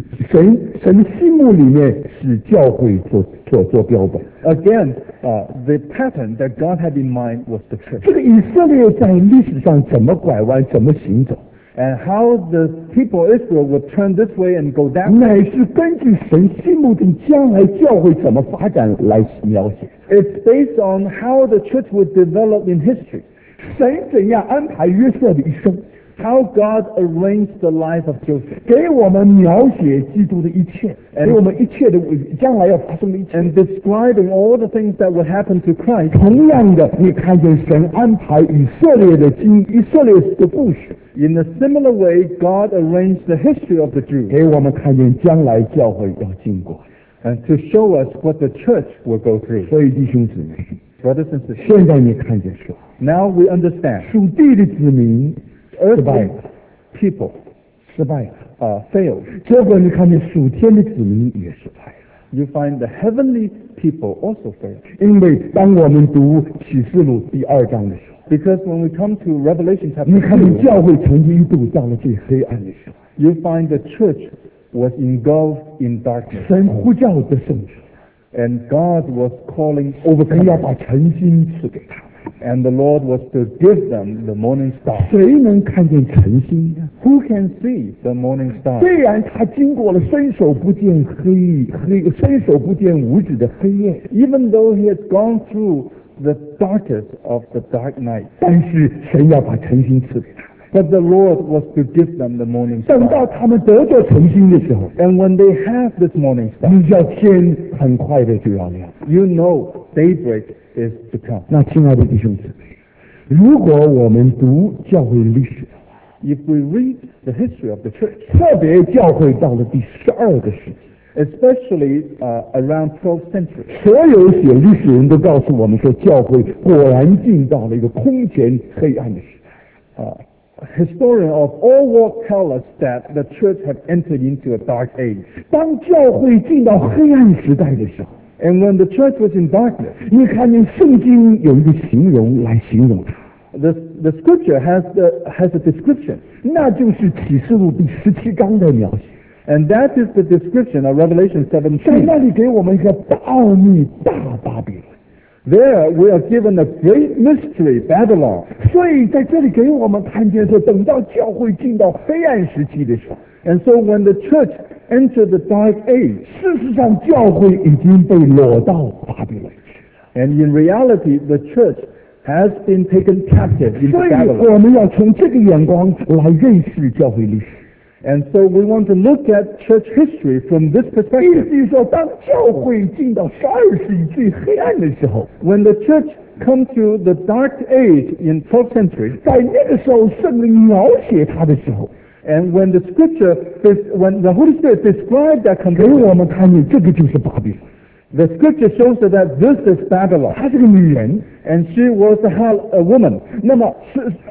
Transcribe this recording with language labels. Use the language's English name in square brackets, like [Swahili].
[Chinese] 神心目里面是教会做标本。 [English] Again, the pattern that God had in mind was the church. [Chinese] 这个以色列在历史上怎么拐弯，怎么行走？ [English] And how the people of Israel would turn this way and go that way. [Chinese] 乃是根据神心目中将来教会怎么发展来描写。 [English] It's based on how the church would develop in history. [Chinese] 神怎样安排约瑟的一生。 [English] How God arranged the life of Joseph. [Chinese] 给我们描写基督的一切。给我们一切的将来要发生的一切。 [English] And describing all the things that would happen to Christ. [Chinese] 同样的，你看见神安排以色列的经，以色列的故事。 [English] In a similar way, God arranged the history of the Jews. [Chinese] 给我们看见将来教会要经过。 [English] And to show us what the church will go through. [Chinese] 所以弟兄姊妹。 [English] Brothers and sisters. [Chinese] 现在你看见说。 [English] Now we understand. [Chinese] 属地的子民。 [English] Earthly、 [Chinese] 失败了 [English] people [Chinese] 失败了、 [English] failed [Chinese] 结果你看见属天的子民也失败了 [English] You find the heavenly people also failed [Chinese] 因为当我们读启示录第二章的时候 [English] Because when we come to Revelation chapter [Chinese] 你看见教会曾经一度到了最黑暗的时候 [English] You find the church was engulfed in darkness [Chinese] 神呼叫的圣者 [English] And God was calling [Chinese] over 神要把晨星赐给他 [English] And the Lord was to give them the morning star. [Chinese] 谁能看见晨星呢？ [English] Who can see the morning star? [Chinese] 虽然他经过了伸手不见伸手不见五指的黑夜。 [English] Even though he has gone through the darkest of the dark night. [Chinese] 但是神要把晨星赐给他。 [English] But the Lord was to give them the morning star. [Chinese] 等到他们得着晨星的时候。 [English] And when they have this morning star. [Chinese] 你知道天很快的就要亮。 [English] You know, daybreak. Is to come. [Chinese] 那亲爱的弟兄姊妹，如果我们读教会历史的话 [English] ，If we read the history of the church， [Chinese] 特别教会到了第十二个世纪 [English] ，especially around 12th century， [Chinese] 所有写历史人都告诉我们说，教会果然进到了一个空前黑暗的时代。 [English] Historian of all walk tell us that the church had entered into a dark age。 [Chinese] 当教会进到黑暗时代的时候。 [English] And when the church was in darkness, [Chinese] 你看见圣经有一个形容来形容它。 [English] The scripture has a description. [Chinese] 那就是启示录第十七章的描写。 [English] And that is the description of Revelation 17. [Chinese] 在那里给我们一个奥秘大巴比伦。 [English] There we are given a great mystery, Babylon. [Chinese] 所以在这里给我们看见说，等到教会进到黑暗时期的时候。 [English] And so when the church entered the dark age, [Chinese] 事实上教会已经被掳到巴比伦去。 [English] And in reality, the church has been taken captive into Babylon. [Chinese] 所以我们要从这个眼光来认识教会历史。 [English] And so we want to look at church history from this perspective. [Chinese] 意思是说，当教会进到十二世纪黑暗的时候 [English] ，When the church come to the dark age in 12th century， [Chinese] 在那个时候圣灵描写它的时候 [English] ，And when the scripture when the Holy Spirit described that condition， [Chinese] 给我们看见这个就是巴比伦。 [English] The scripture shows that this is Babylon. [Chinese] 她是个女人 [English] ，and she was a woman. [Chinese] 那么是。